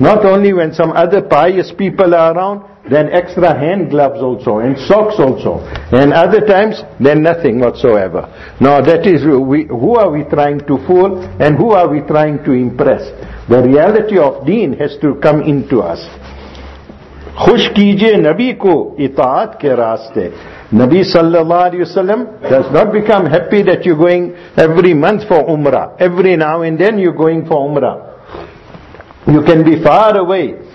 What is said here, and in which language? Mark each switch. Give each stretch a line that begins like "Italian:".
English: Not only when some other pious people are around, then extra hand gloves also and socks also. And other times, then nothing whatsoever. Now that is, who are we trying to fool and who are we trying to impress? The reality of deen has to come into us.
Urdu: خوش کیجئے نبی کو اطاعت کے راستے.
English: Nabi sallallahu alayhi wa sallam does not become happy that you're going every month for umrah. Every now and then you're going for umrah. You can be far away.